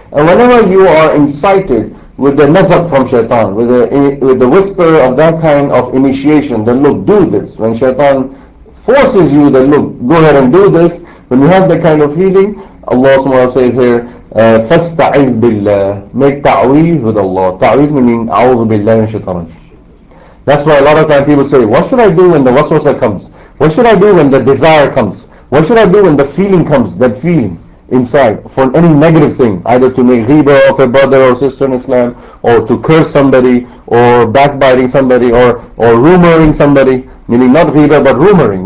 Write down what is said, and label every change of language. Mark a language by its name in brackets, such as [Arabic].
[English] And whenever you are incited with the nazak from shaitan, with the whisper of that kind of initiation, then look, do this. When shaitan forces you, then look, go ahead and do this. When you have that kind of feeling, Allah says here, [Arabic] فَاسْتَعِذْ بِاللَّهِ. [English] Make ta'weez with Allah. [Arabic] Ta'weez meaning أَعُوذُ بِاللَّهِ مِنْ شَيْطَانِ الرَّجِيمِ. [English] That's why a lot of times people say, what should I do when the waswasa comes? What should I do when the desire comes? What should I do when the feeling comes, that feeling inside, for any negative thing, either to make ghiba of a brother or sister in Islam, or to curse somebody, or backbiting somebody, or rumoring somebody, meaning not ghiba, but rumoring.